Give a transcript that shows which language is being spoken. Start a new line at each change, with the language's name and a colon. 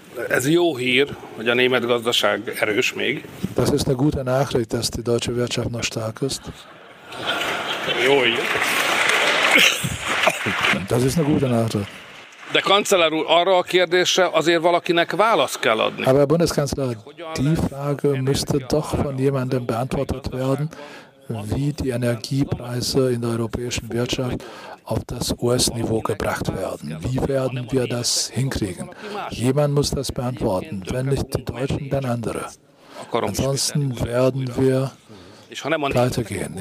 Hungarian: Ez jó hír, hogy a német gazdaság erős még.
German: Das ist eine gute Nachricht, dass die deutsche Wirtschaft noch stark ist.
Hungarian: Jó hír.
German: Das ist eine gute Nachricht.
Hungarian: De kancellár úr, arra a kérdésre azért valakinek választ kell adni.
German: Aber Bundeskanzler, die Frage müsste doch von jemandem beantwortet werden, wie die Energiepreise in der europäischen Wirtschaft auf das US-Niveau gebracht werden. Wie werden wir das hinkriegen? Jemand muss das beantworten. Wenn nicht die Deutschen, dann andere. Ansonsten werden wir pleite gehen.